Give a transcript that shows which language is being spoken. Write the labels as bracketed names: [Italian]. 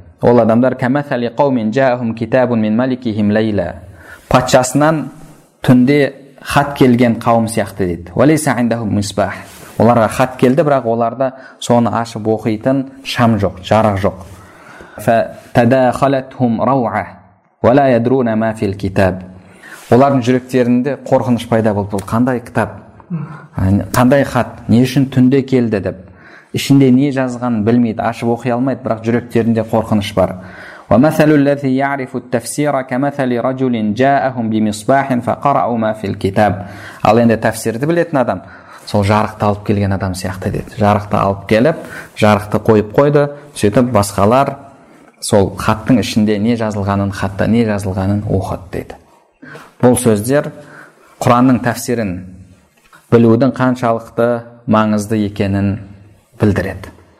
[Kazakh] Ол адамдар [Arabic] кәмәсәли қаумин жаахум китабун мин маликихим лейла. [Kazakh] Патшасынан түнде хат келген қауым сияқты дейді. [Arabic] Валейса индахум мисбах. [Kazakh] Оларға хат келді, бірақ оларда соны ашып оқитын шам жоқ, жарық жоқ. [Arabic] فتداخلتهم روعه ولا يدرون ما في الكتاب. [Kazakh] Олардың жүректерінде қорқыныш пайда болды. Бұл қандай кітап? Қандай хат? Не үшін түнде келді деп? Ішінде не жазғанын білмейді, ашып оқи алмайды, бірақ жүректерінде қорқыныш бар. [Arabic] ومثل الذي يعرف التفسير كمثل رجل جاءهم بمصباح فقرأوا ما في الكتاب. [Kazakh] Ал енді тәфсірді білетін адам сол жарықты алып келген адам сияқты деді. Жарықты алып келіп, жарықты қойып қойды, сөйтіп басқалар сол хаттың ішінде не жазылғанын, хатта не жазылғанын оқыды деді. Бұл сөздер Құранның тәфсирін білудің қаншалықты маңызды екенін білдіреді.